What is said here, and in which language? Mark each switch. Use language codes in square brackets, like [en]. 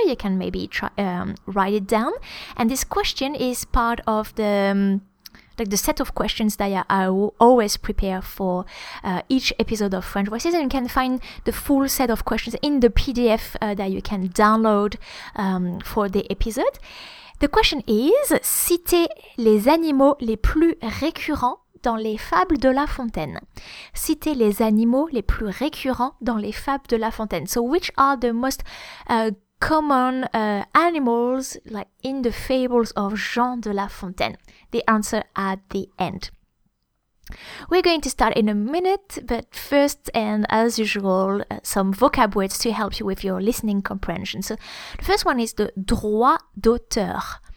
[en] You can maybe try write it down. And this question is part of the set of questions that I always prepare for each episode of French Voices. And you can find the full set of questions in the PDF that you can download for the episode. The question is, [fr] citez les animaux les plus récurrents dans les fables de La Fontaine. Citez les animaux les plus récurrents dans les fables de La Fontaine. [en] So which are the most common animals like in the fables of Jean de La Fontaine? The answer at the end. We're going to start in a minute, but first, and as usual, some vocab words to help you with your listening comprehension. So the first one is the droit d'auteur.